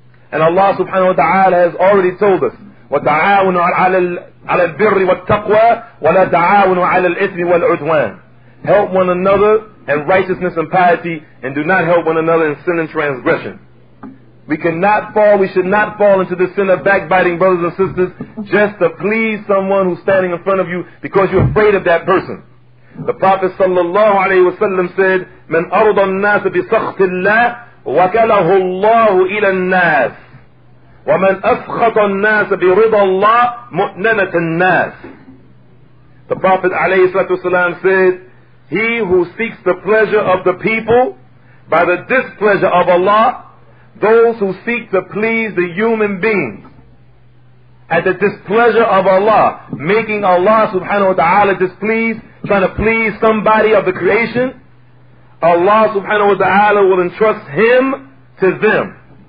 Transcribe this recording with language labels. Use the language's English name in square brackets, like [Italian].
[English] And Allah subhanahu wa ta'ala has already told us, [Arabic] وَتَعَاوَنُوا عَلَى الْبِرِّ وَالتَّقْوَى وَلَا تَعَاوَنُوا عَلَى الْإِثْمِ وَالْعُدْوَانِ. [English] Help one another in righteousness and piety, and do not help one another in sin and transgression. We cannot fall, we should not fall into the sin of backbiting, brothers and sisters, just to please someone who's standing in front of you because you're afraid of that person. The Prophet sallallahu alayhi wa sallam said, [Arabic] مَنْ أَرْضَ النَّاسَ بِسَخْطِ اللَّهِ وَكَلَهُ اللَّهُ إِلَى النَّاسِ وَمَنْ أَسْخَطَ النَّاسَ بِرِضَ اللَّهِ مُؤْنَنَةَ النَّاسِ. [English] The Prophet alayhi salatu wasalam said, he who seeks the pleasure of the people by the displeasure of Allah, those who seek to please the human beings at the displeasure of Allah, making Allah subhanahu wa ta'ala displeased, trying to please somebody of the creation, Allah subhanahu wa ta'ala will entrust him to them.